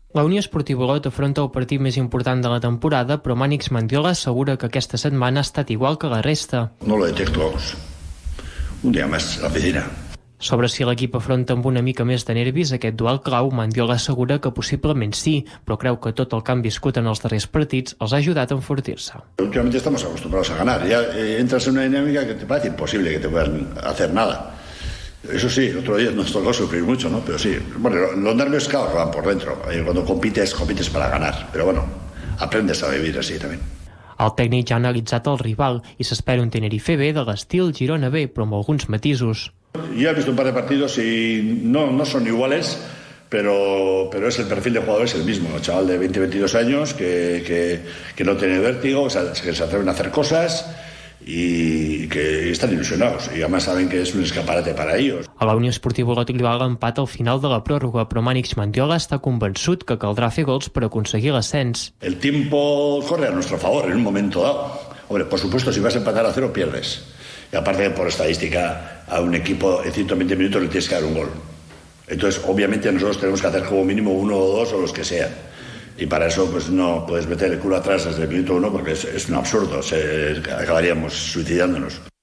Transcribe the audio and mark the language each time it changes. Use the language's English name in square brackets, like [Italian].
[Catalan] La Unió Esportiva Olot afronta el partit més important de la temporada, però Mànix Mandiola assegura que aquesta setmana ha estat igual que la resta. [Spanish] No lo detecto, vamos. Un día más a piscina. [Catalan] Sobre si l'equip afronta amb una mica més de nervis aquest dual clau, Mandiola assegura que possiblement sí, però creu que tot el que han viscut en els darrers partits els ha ajudat a enfortir-se. [Spanish] Últimamente estamos acostumbrados a ganar. Ya entras en una dinámica que te parece imposible que te puedan hacer nada. Eso sí, el otro día nos tocó sufrir mucho, ¿no? Pero sí, bueno, los nervios claro van por dentro. Cuando compites, compites para ganar. Pero bueno, aprendes a vivir así también. [Catalan] El tècnic ja ha analitzat el rival i s'espera un Tenerife B de l'estil Girona B, però amb alguns matisos. [Spanish] Yo he visto un par de partidos y no son iguales, pero es el perfil de jugador, es el mismo. Un chaval de 20-22 años que no tiene vértigo, que se atreven a hacer cosas y que están ilusionados y además saben que es un escaparate para ellos. [Catalan] A la Unió Esportiva Olot li va l'empat al final de la pròrroga, però Mànix Mandiola està convençut que caldrà fer gols per aconseguir l'ascens. [Spanish] El tiempo corre a nuestro favor en un momento dado. Hombre, por supuesto, si vas a empatar a cero, pierdes. Y aparte, por estadística, a un equipo en 120 minutos le tienes que dar un gol. Entonces, obviamente, nosotros tenemos que hacer como mínimo uno o dos o los que sean. Y para eso pues no puedes meter el culo atrás desde el minuto uno porque es un absurdo, acabaríamos suicidándonos.